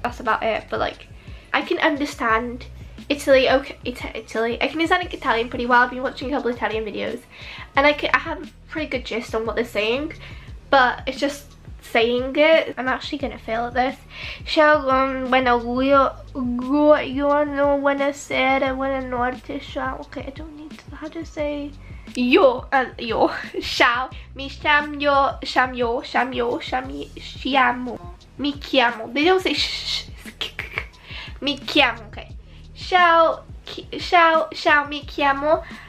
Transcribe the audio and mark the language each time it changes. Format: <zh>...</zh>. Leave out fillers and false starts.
<en>That's about it, but like I can understand Italy, okay, Italy. I can understand Italian pretty well. I've been watching a couple of Italian videos and I have a pretty good gist on what they're saying, but it's just saying it. I'm actually gonna fail at this.</en> <it>Ciao, buona giorno, buona sera, buona notte, ciao.</it> <en>Okay, I don't need to, how to say?</en> <it>Yo, ciao. Mi chiamo, chiamo. Mi chiamo.</it> <en>They don't say</en> <it>Mi chiamo,</it> <en>okay.</en> <it>Ciao, mi chiamo.</it>